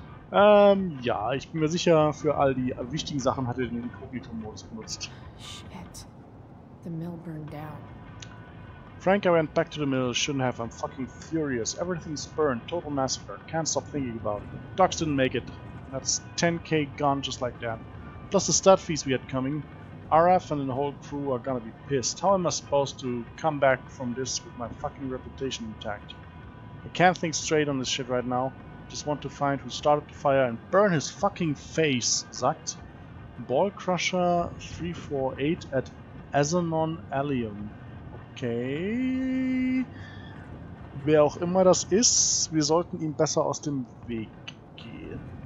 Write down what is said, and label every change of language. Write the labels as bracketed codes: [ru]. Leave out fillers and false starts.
[de] Ja, ich bin mir sicher, für all die wichtigen Sachen hat er den Inkognito-Modus benutzt. [en] Shit. The mill burned down. Frank, I went back to the mill, shouldn't have, I'm fucking furious. Everything's burned, total massacre, can't stop thinking about it. Dogs didn't make it. That's 10k gone just like that. Plus the stud fees we had coming. RF and the whole crew are gonna be pissed. How am I supposed to come back from this with my fucking reputation intact? I can't think straight on this shit right now. Just want to find who started the fire and burn his fucking face, [de] sagt [en] Ballcrusher 348 at Azanon Allium. Okay. [de] Wer auch immer das ist, wir sollten ihm besser aus dem Weg gehen.